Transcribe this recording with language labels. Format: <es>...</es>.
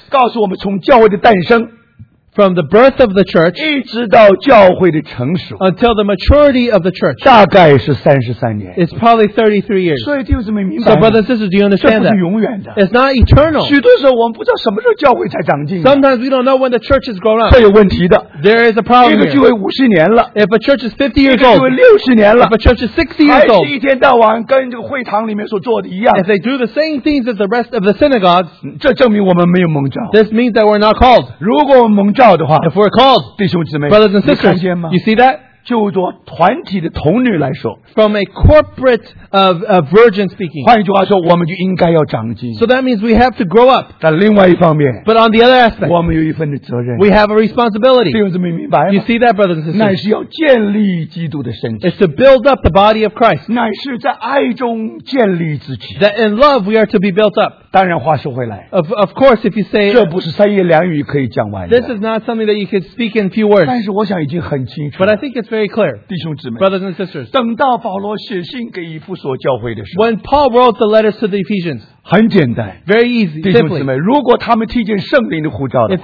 <zh>告诉我们从教会的诞生</zh> <en>from the birth of the church</en> <zh>一直到教会的成熟</zh> <en>until the maturity of the church</en> <zh>大概是33年</zh> <en>it's probably 33 years</en> <zh>所以弟兄姊妹明白</zh> <en>so brothers and sisters do you understand that</en> <zh>这不是永远的</zh> <en>it's not eternal</en> <zh>许多时候我们不知道什么时候教会才长进</zh> <en>sometimes we don't know when the church has grown up</en> <zh>这有问题的</zh> <en>there is a problem</en> <zh>一个聚会50年了</zh> <en>if a church is 50 years old</en> <zh>一个聚会60年了</zh> <en>if a church is 60 years old</en> <zh>还是一天到晚跟这个会堂里面所做的一样</zh> <en>if they do the same things as the rest of the synagogues</en> <zh>这证明我们没有蒙召</zh> <en>this means that we're not called</en> <zh>如果我们蒙召</zh> <en>If we're called,</en> <zh>弟兄姊妹,</zh> <en>brothers and sisters,</en> <zh>你看见吗?</zh> <en>You see that?</en> <zh>就做团体的童女来说,</zh> <en>From a corporate of a virgin speaking,</en> <zh>换一句话说, 我们就应该要长进。</zh> <en>So that means we have to grow up.</en> <zh>但另外一方面,</zh> <en>But on the other aspect,</en> <zh>我们有一份的责任。</zh> <en>We have a responsibility.</en> <zh>弟兄姊妹明白吗?</zh> <en>You see that, brothers and sisters?</en> <zh>乃是要建立基督的身体。</zh> <en>It's to build up the body of Christ.</en> <zh>乃是在爱中建立自己。</zh> <en>That in love we are to be built up.</en> <zh>当然话说回来,</zh> <en>of course, if you say,</en> <zh>这不是三言两语可以讲完的。</zh> <en>This is not something that you can speak in a few words.</en> <zh>但是我想已经很清楚。</zh> <en>But I think it's very clear.</en> <zh>弟兄姊妹,</zh> <en>brothers and sisters,</en> <zh>等到保罗写信给以弗所教会的时候,</zh> <en>when Paul wrote the letters to the Ephesians,</en> <zh>很简单,</zh> <en>very easy,</en> <zh>弟兄姊妹, 如果他们听见圣灵的呼召的话,</zh>